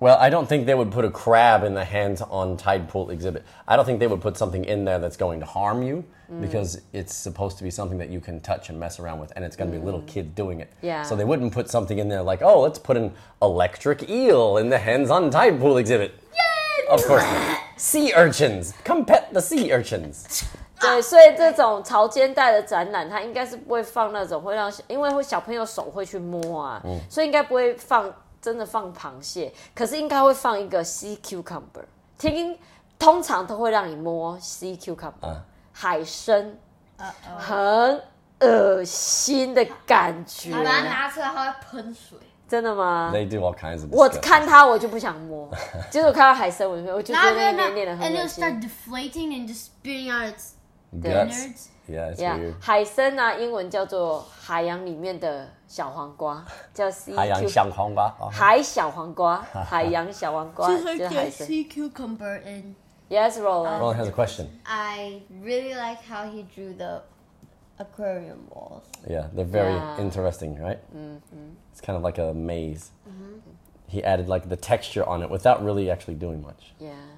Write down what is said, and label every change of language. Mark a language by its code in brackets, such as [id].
[en] Well, I don't think they would put a crab in the hands on tide pool exhibit. I don't think they would put something in there that's going to harm you. Because it's supposed to be something that you can touch and mess around with, and it's going to be a little kid doing it. Yeah. So they wouldn't put something in there like, oh, let's put an electric eel in the hands-on tide pool exhibit. Yay! Of course not. Sea urchins. Come pet the sea urchins. [zh] 对，所以这种潮间带的展览，它应该是不会放那种会让，因为小朋友手会去摸啊，所以应该不会放真的放螃蟹，可是应该会放一个 sea cucumber. 通常都会让你摸 sea cucumber. 海参，很恶心的感觉。把它拿出来，它会喷水。真的吗 [en] ？They do all kinds of. [zh] 我看它，我就不想摸。就是我看到海参，我就觉得那黏黏的很恶心。 [en] And it'll start deflating and just spitting out its innards. Yeah, it's weird. Yeah, [zh] 海参呢、啊，英文叫做海洋里面的小黄瓜，叫 sea cucumber。海洋小黄瓜。海小黄瓜，海洋小黄瓜，就是海参。 [en] Sea cucumber in. Yes, Roland. Roland has a question. I really like how he drew the aquarium walls. Yeah, they're very interesting, right? Mm-hmm. It's kind of like a maze. Mm-hmm. he added like the texture on it without really actually doing much. Yeah.